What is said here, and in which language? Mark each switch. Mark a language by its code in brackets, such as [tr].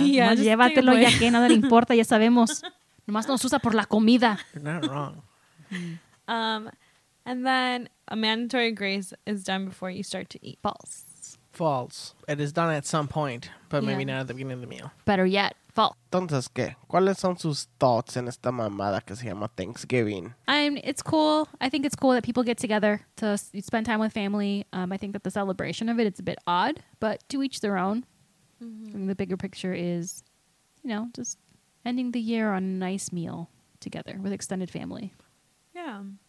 [en] Yeah, just [es] llévatelo ya que nada le importa, ya sabemos. Nomás nos usa por la comida. [en] You're not wrong. And then a mandatory grace is done before you start to eat. False. It is done at some point, but yeah. Maybe not at the beginning of the meal. Better yet. [es] Entonces, ¿qué? ¿Cuáles son sus thoughts en esta mamada que se llama Thanksgiving? [en] It's cool. I think it's cool that people get together to spend time with family. I think that the celebration of it, it's a bit odd, but to each their own. Mm-hmm. And the bigger picture is, you know, just ending the year on a nice meal together with extended family. Yeah.